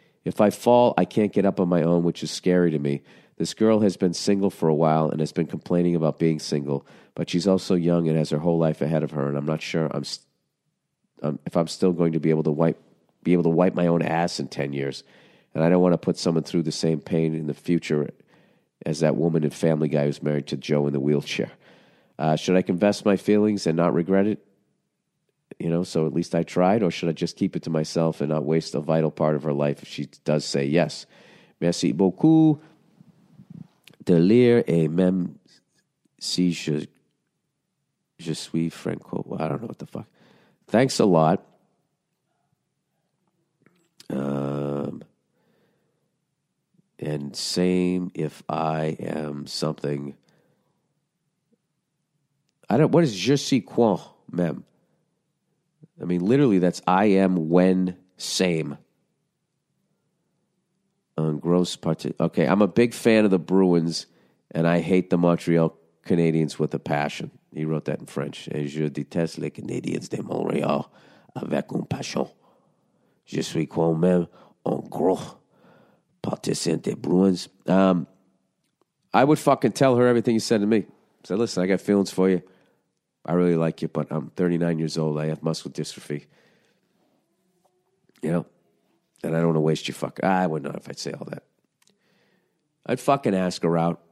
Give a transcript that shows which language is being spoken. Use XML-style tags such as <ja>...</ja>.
<en>If I fall, I can't get up on my own, which is scary to me. This girl has been single for a while and has been complaining about being single, but she's also young and has her whole life ahead of her, and I'm not sure if I'm still going to be able to wipe my own ass in 10 years, and I don't want to put someone through the same pain in the future as that woman and Family Guy who's married to Joe in the wheelchair. Should I confess my feelings and not regret it? You know, so at least I tried, or should I just keep it to myself and not waste a vital part of her life if she does say yes?</en> <fr>Merci beaucoup de lire, et même si je suis franco.</fr> <en>I don't know what the fuck. Thanks a lot. And same if I am something. I don't. What is</en> <fr>je suis quoi, même?</fr> <en>I mean, literally, that's I am when same. Gross part. Okay, I'm a big fan of the Bruins, and I hate the Montreal Canadiens with a passion. He wrote that in French.</en> <fr>Et je déteste les Canadiens de Montréal avec une passion. Je suis quand même un gros partisan des Bruins.</fr> <en>I would fucking tell her everything you said to me. I said, listen, I got feelings for you. I really like you, but I'm 39 years old. I have muscle dystrophy. You know? And I don't want to waste your fuck. I wouldn't know if I'd say all that. I'd fucking ask her out.</en>